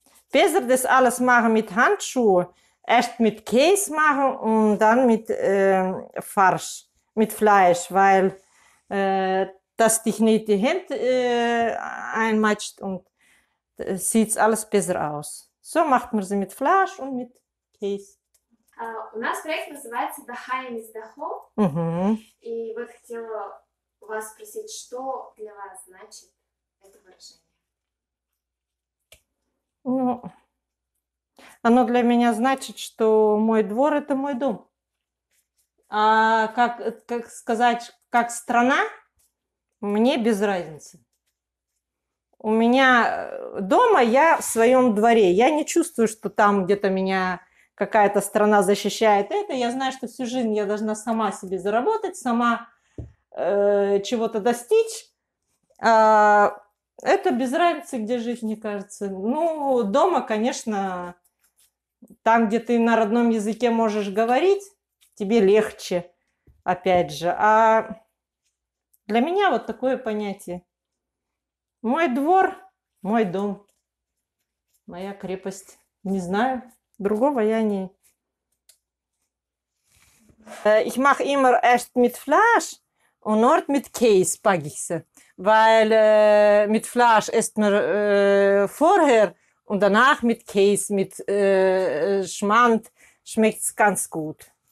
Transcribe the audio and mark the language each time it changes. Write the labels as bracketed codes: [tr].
[de] Besser das alles machen mit Handschuhen. Erst mit Käse machen und dann mit Farsch, mit Fleisch, weil das dich nicht die Hände einmatscht und sieht alles besser aus. So macht man sie mit Fleisch und mit Käse. [ru] У нас проект называется [en] The Haim is the Home. [ru] И вот хотела вас спросить, что для вас значит это выражение? Ну, оно для меня значит, что мой двор – это мой дом. А как сказать, как страна, мне без разницы. У меня дома, я в своем дворе. Я не чувствую, что там где-то меня какая-то страна защищает это. Я знаю, что всю жизнь я должна сама себе заработать, сама чего-то достичь. А это без разницы, где жить, мне кажется. Ну, дома, конечно, там, где ты на родном языке можешь говорить, тебе легче, опять же. А для меня вот такое понятие. Мой двор, мой дом, моя крепость. Не знаю, другого я не... [de] Ich mache immer erst mit Fleisch und dort mit Käse backe ich sie. Weil mit Fleisch isst man vorher und danach mit Käse, mit Schmand schmeckt es ganz gut.